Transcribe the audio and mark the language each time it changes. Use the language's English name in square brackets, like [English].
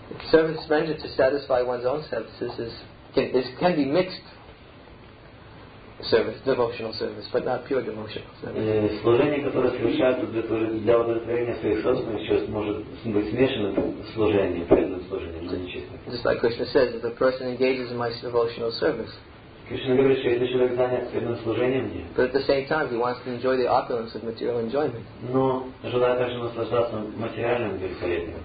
[English] service rendered to satisfy one's own services can be mixed service, devotional service, but not pure devotional service. [Russian] Служение, которое совершается для удовлетворения своих собственных чувств, может быть смешано с служением, преданным служением, но нечистым. [English] Just like Krishna says, if a person engages in my devotional service, [Russian] Кришна говорит, что если человек занят преданным служением мне, [English] but at the same time, he wants to enjoy the opulence of material enjoyment. [Russian] Но желая также наслаждаться материальным великолепием.